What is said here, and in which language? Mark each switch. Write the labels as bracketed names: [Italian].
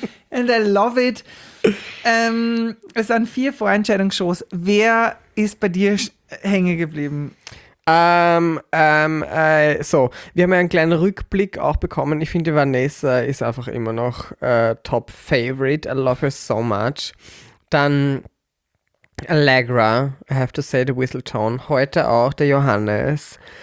[English] And I love it. [German] Es waren 4 Vorentscheidungsshows. Wer ist bei dir hängen geblieben? Wir haben ja einen kleinen Rückblick auch bekommen. Ich finde, Vanessa ist einfach immer noch top favorite. [English] I love her so much. Dann Allegra, I have to say the whistle tone. [German] Heute auch der Johannes.